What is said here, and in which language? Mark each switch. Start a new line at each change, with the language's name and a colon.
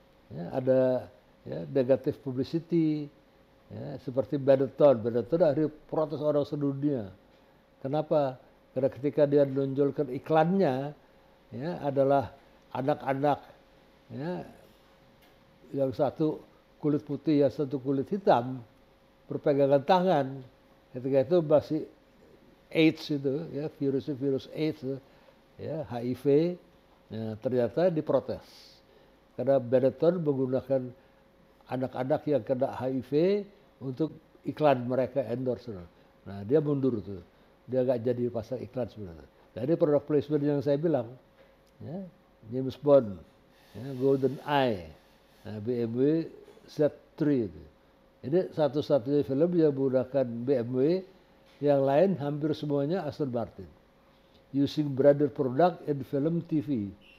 Indonesian: Ya, ada ya, negative publicity. Ya, seperti Benetton. Benetton dari protes orang sedunia. Kenapa? Karena ketika dia menonjolkan iklannya, ya, adalah anak-anak, ya, yang satu kulit putih, yang satu kulit hitam, berpegangan tangan. Ketika itu masih AIDS itu, ya, virus AIDS, ya, HIV, ya, ternyata diprotes. Karena Benetton menggunakan anak-anak yang kena HIV untuk iklan mereka, endorse. Nah, dia mundur itu. Dia nggak jadi pasang iklan sebenarnya. Jadi product placement yang saya bilang, ya, James Bond, ya, Golden Eye, nah, BMW Z3 itu. Ini satu-satunya film yang menggunakan BMW, yang lain hampir semuanya Aston Martin.
English: Using branded product in film TV.